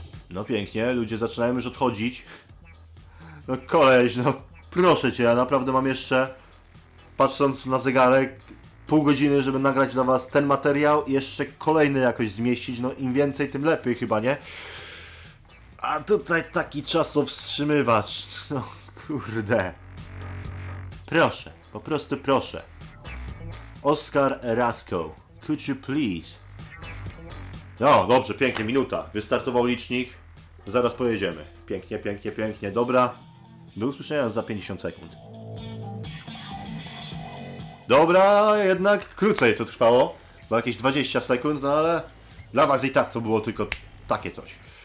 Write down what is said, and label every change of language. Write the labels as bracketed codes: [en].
[pl] No pięknie, ludzie zaczynają już odchodzić. No koleś, no proszę cię, ja naprawdę mam jeszcze, patrząc na zegarek, pół godziny, żeby nagrać dla was ten materiał i jeszcze kolejny jakoś zmieścić. No im więcej, tym lepiej chyba, nie? A tutaj taki czasowstrzymywacz, no kurde. Proszę, po prostu proszę. [en] Oscar Erasco, could you please? [pl] No dobrze, pięknie, minuta. Wystartował licznik. Zaraz pojedziemy. Pięknie, pięknie, pięknie, dobra. Do usłyszenia za 50 sekund. Dobra, jednak krócej to trwało. Bo jakieś 20 sekund, no ale dla was i tak to było tylko takie coś.